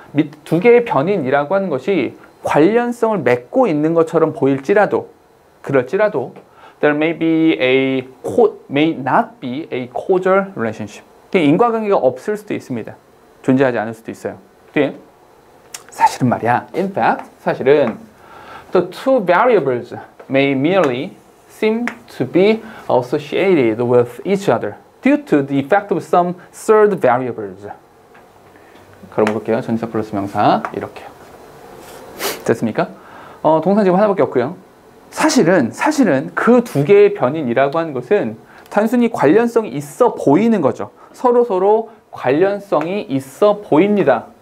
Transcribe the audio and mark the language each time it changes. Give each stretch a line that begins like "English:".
Korean: 밑 두 개의 변인이라고 하는 것이 관련성을 맺고 있는 것처럼 보일지라도, 그럴지라도
English: there may be a may not be a causal relationship.
Korean: 인과관계가 없을 수도 있습니다. 존재하지 않을 수도 있어요. 뒤에 사실은 말이야.
English: In fact,
Korean: 사실은
English: the two variables may merely seem to be associated with each other due to the effect of some third variables.
Korean: 그럼 볼게요. 전치사 플러스 명사 이렇게 됐습니까? 동사 지금 하나밖에 없고요. 사실은 그 두 개의 변인이라고 하는 것은 단순히 관련성이 있어 보이는 거죠. 서로 관련성이 있어 보입니다.